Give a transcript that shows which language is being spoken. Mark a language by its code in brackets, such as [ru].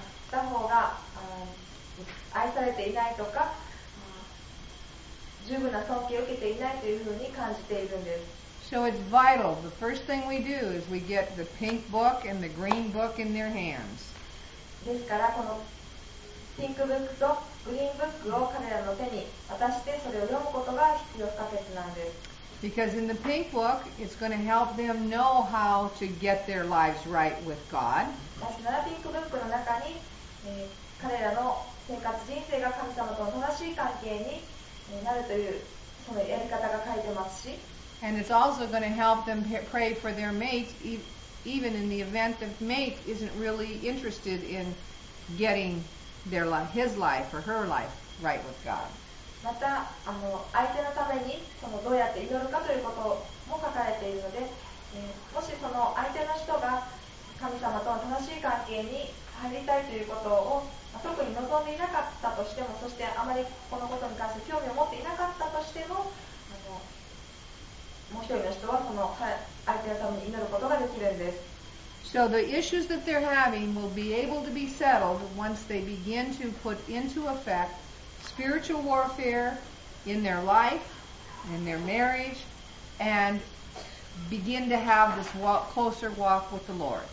[ja] 片方が、愛されていないとか、十分な尊敬を受けていないというふうに感じているんです。 [en] So it's vital. The first thing we do is we get the pink book and the green book in their hands. [ja] ですから、このピンクブックとグリーンブックを彼らの手に渡して、それを読むことが必要不可欠なんです。 [en] Because in the pink book, it's going to help them know how to get their lives right with God. [ja] なぜならピンクブックの中に、彼らの生活、人生が神様との正しい関係になるというそのやり方が書いてますし、 [en] And it's also going to help them pray for their mate, even in the event that mate isn't really interested in getting their life, his life or her life right with God. [ja] また相手のためにそのどうやって祈るかということも書かれているので、もしその相手の人が神様との正しい関係に入りたいということを特に望んでいなかったとしても、そしてあまりこのことに関して興味を持っていなかったとしても、もう一人の人はその相手のために祈ることができるんです。 [en] So the issues that they're having will be able to be settled once they begin to put into effect spiritual warfare in their life, in their marriage, and begin to have this closer walk with the Lord.